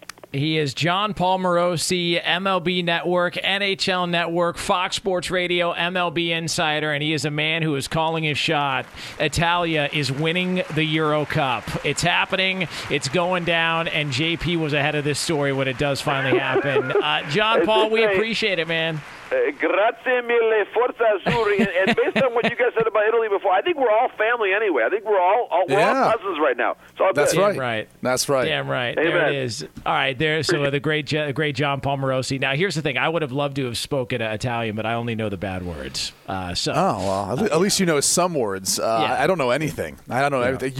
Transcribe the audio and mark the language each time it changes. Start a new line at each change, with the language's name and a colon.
English: He is John Paul Morosi, MLB Network, NHL Network, Fox Sports Radio, MLB Insider, and he is a man who is calling his shot. Italia is winning the Euro Cup. It's happening. It's going down, and JP was ahead of this story when it does finally happen. John Paul, we appreciate it, man.
Italian: Grazie mille, forza azzurri.
English: And based on what you guys said about Italy before, I think we're all family anyway. I think we're all cousins right now. So that's good. Right. That's right. Damn right. Amen. There it is. All right. There. So the great John Paul Morosi. Now, here's the thing. I would have loved to have spoken Italian, but I only know the bad words. At least you know some words. I don't know anything. I don't know everything.